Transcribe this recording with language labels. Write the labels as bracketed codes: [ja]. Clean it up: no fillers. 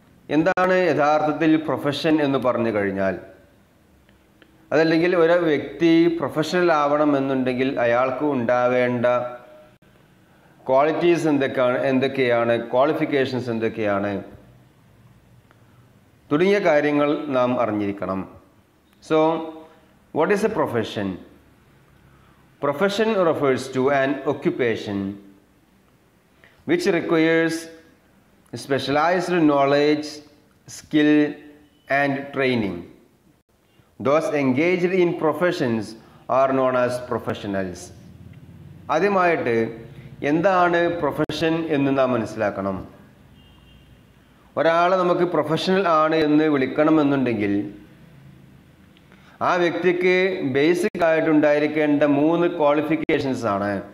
[ml] എന്താണ് യഥാർത്ഥത്തിൽ പ്രൊഫഷൻ എന്ന് പറഞ്ഞു കഴിഞ്ഞാൽ, അതല്ലെങ്കിൽ ഒരു വ്യക്തി പ്രൊഫഷണൽ ആവണമെന്നുണ്ടെങ്കിൽ അയാൾക്ക് ഉണ്ടാവേണ്ട ക്വാളിറ്റീസ് എന്തൊക്കെയാണ് ക്വാളിഫിക്കേഷൻസ് എന്തൊക്കെയാണ് തുടങ്ങിയ കാര്യങ്ങൾ നാം അറിഞ്ഞിരിക്കണം. [en] So what is a profession? Profession refers to an occupation which requires specialized knowledge, skill and training. Those engaged in professions are known as professionals. [ml] ആദ്യമായിട്ട് എന്താണ് പ്രൊഫഷൻ എന്ന് നാം മനസ്സിലാക്കണം. ഒരാളെ നമുക്ക് പ്രൊഫഷണൽ ആണ് എന്ന് വിളിക്കണമെന്നുണ്ടെങ്കിൽ ആ വ്യക്തിക്ക് ബേസിക് ആയിട്ടുണ്ടായിരിക്കേണ്ട മൂന്ന് ക്വാളിഫിക്കേഷൻസ് ആണ്.